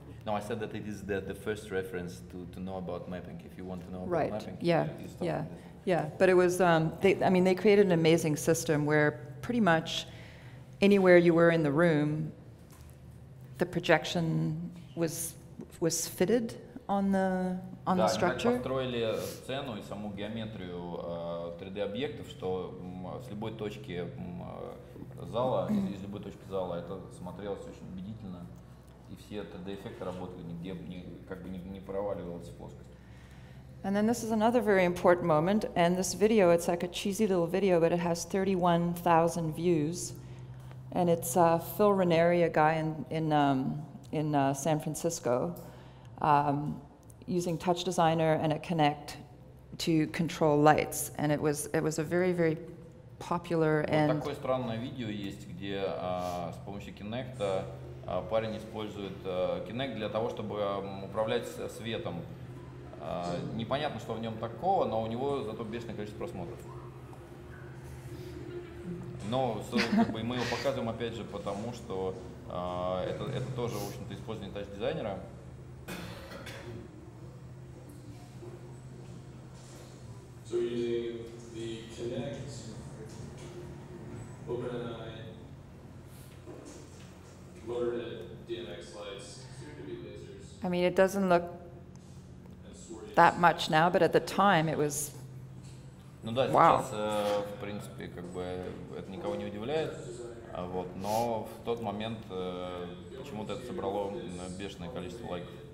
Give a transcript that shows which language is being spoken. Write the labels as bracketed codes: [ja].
[en] No, I said that it is the first reference to know about mapping, if you want to know about right. mapping. Right, yeah. But it was, they created an amazing system where pretty much anywhere you were in the room, the projection was fitted on the structure. [ru] Да, они так построили сцену и саму геометрию 3D объектов, что с любой точки зала, из любой точки зала это смотрелось очень убедительно, и все 3D эффекты работали, нигде как бы не проваливалась плоскость. [en] And then this is another very important moment, and this video, it's like a cheesy little video, but it has 31,000 views. And it's Phil Ranieri, a guy in San Francisco, using TouchDesigner and a Kinect to control lights. And it was a very, very popular and. [ru] Вот такое странное видео есть, где с помощью Kinect парень использует Kinect для того, чтобы управлять светом. Непонятно, что в нем такого, но у него зато бешеное количество просмотров. Но мы его показываем, опять же, потому что это тоже, в общем-то, использование тач-дизайнера. [en] So we're using the Kinect, OpenAI, motored DMX lights, soon to be lasers. I mean, it doesn't look that much now, but at the time it was... [ru] Ну да, сейчас, в принципе, как бы это никого не удивляет, вот, но в тот момент почему-то это собрало бешеное количество лайков.